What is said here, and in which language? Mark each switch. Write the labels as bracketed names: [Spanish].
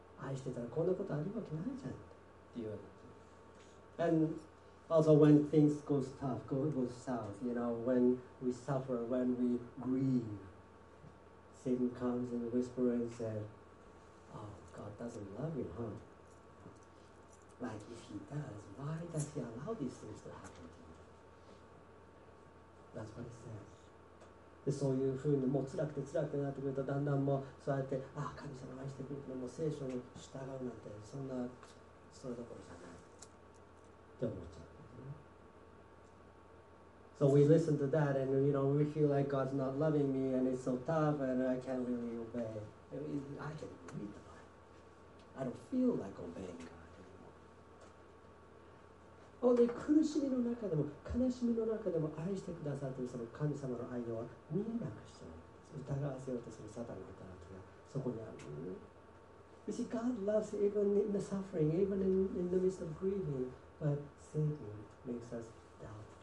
[Japanese] 愛してたらこんなことあるわけないじゃん。っていうわけ。 [English] And also when things go tough, go south, you know, when we suffer, when we grieve. Satan comes and whispers and says, Oh, God doesn't love you, huh? Like, if he does, why does he allow these things to happen to you? That's what he says. [Japanese] で、そういうふうに、もう辛くて辛くなってくると、だんだんもう、そうやって、ああ、神様愛してくれて、もう聖書に従うなんて、そんな、それどころじゃない。って思っちゃう。 [English] So we listen to that and you know, we feel like God's not loving me and it's so tough and I can't really obey. I can read the Bible. I don't feel like obeying God anymore. [Japanese] 苦しみの中でも悲しみの中でも愛してくださっているその神様の愛は見えなくしちゃう。疑わせようとするサタンの働きがそこにある。 [English] You see, God loves even in the suffering, even in the midst of grieving, but Satan makes us doubt.